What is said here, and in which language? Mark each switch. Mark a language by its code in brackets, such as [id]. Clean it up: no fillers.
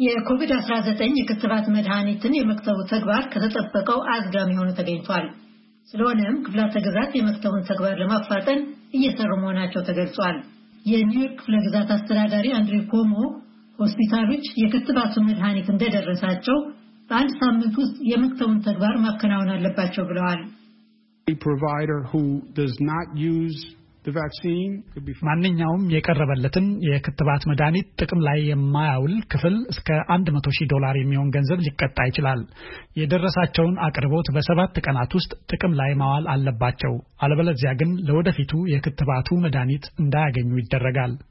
[am] የኮቪድ-19 የክትባት መድኃኒትን የመክተቡ ተግባር ከተጠበቀው አዝጋሚ ሆኖ ተገኝቷል። ስለሆነም ክፍላተ ግዛት የመክተቡን ተግባር ለማፋጠን እየሰሩ መሆናቸው ተገልጿል። የኒውዮርክ ክፍለ ግዛት አስተዳዳሪ አንድሬ ኮሞ ሆስፒታሎች የክትባቱ መድኃኒት እንደደረሳቸው በአንድ ሳምንት ውስጥ የመክተቡን ተግባር ማከናወን አለባቸው ብለዋል። [en] A provider who does not use the vaccine could be [am] ማንኛውም የቀረበለትን የክትባት መድኃኒት ጥቅም ላይ የማያውል ክፍል እስከ 100,000 ዶላር የሚሆን ገንዘብ ሊቀጣ ይችላል። የደረሳቸውን አቅርቦት በ7 ቀናት ውስጥ ጥቅም ላይ ማዋል አለባቸው። አለበለዚያ ግን ለወደፊቱ የክትባቱ መድኃኒት እንዳያገኙ ይደረጋል።